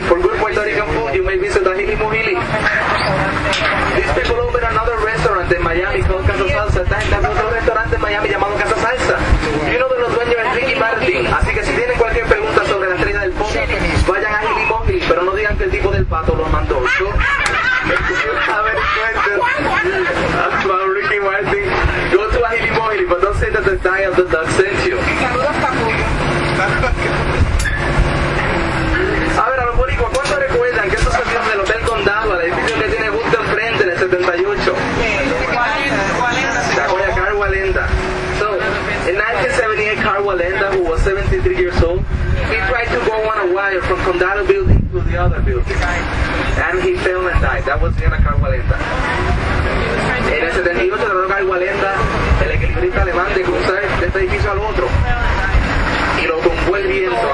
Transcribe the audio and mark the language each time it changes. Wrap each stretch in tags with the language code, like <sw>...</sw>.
<en>For good Puerto Rican food, you may visit Ajili Mojili. These people open another restaurant in Miami called Casa Salsa.</en> <es>Están entrando otro restaurante en Miami llamado Casa Salsa. Y uno de los dueños es Ricky Martin. Así que si tienen cualquier pregunta sobre la estrella del podcast, vayan a Ajili Mojili, pero no digan que el tipo del pato lo mandó. Yo a ver, Ricky Martin.</es> <en>Go to Ajili Mojili, but don't say that the guy of the duck sent you.</en> <es>A ver, a los boricuas, ¿cuánto recuerdan que eso salió del Hotel Condado, al edificio que tiene justo enfrente en el 78? ¿Qué? ¿Qué? Carl Walenda.</es> <en>So, in 1978, Carl Walenda, who was 73 years old, he tried to go on a wire from Condado building to the other building, and he fell and died. That was Diana Carvalenta.</en> <es>En el 78 trató Carvalenta, el equilibrista alemán, de cruzar de este edificio al otro, y lo tumbó el viento.</es>